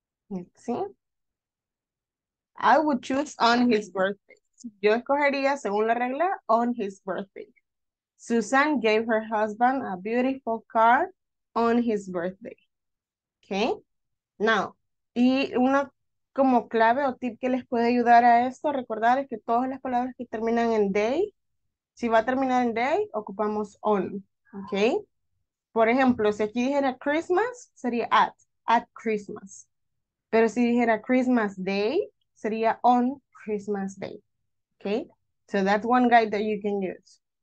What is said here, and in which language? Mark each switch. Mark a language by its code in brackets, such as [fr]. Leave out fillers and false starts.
[en] Let's see. I would choose on his birthday. [es] Yo escogería, según la regla, on his birthday. [en] Susan gave her husband a beautiful car on his birthday. [es] Okay? Now, y una como clave o tip que les puede ayudar a esto, recordar, es que todas las palabras que terminan en day, si va a terminar en day, ocupamos on. Okay? Por ejemplo, si aquí dijera Christmas, sería at Christmas. Pero si dijera Christmas day, sería on Christmas day. [en] Okay, so that's one guide that you can use.